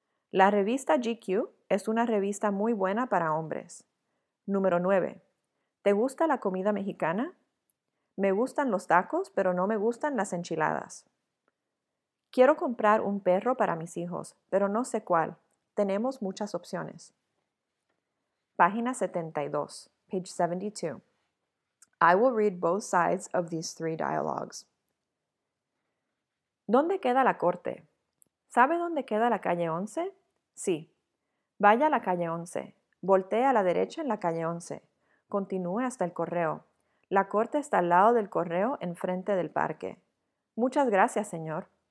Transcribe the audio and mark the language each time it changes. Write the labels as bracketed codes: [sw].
[es] La revista GQ es una revista muy buena para hombres. Número 9. ¿Te gusta la comida mexicana? Me gustan los tacos, pero no me gustan las enchiladas. Quiero comprar un perro para mis hijos, pero no sé cuál. Tenemos muchas opciones. Página 72, [en] page 72. I will read both sides of these three dialogues. [es] ¿Dónde queda la corte? ¿Sabe dónde queda la calle 11? Sí. Vaya a la calle 11. Voltee a la derecha en la calle 11. Continúe hasta el correo. La corte está al lado del correo, enfrente del parque. Muchas gracias, señor.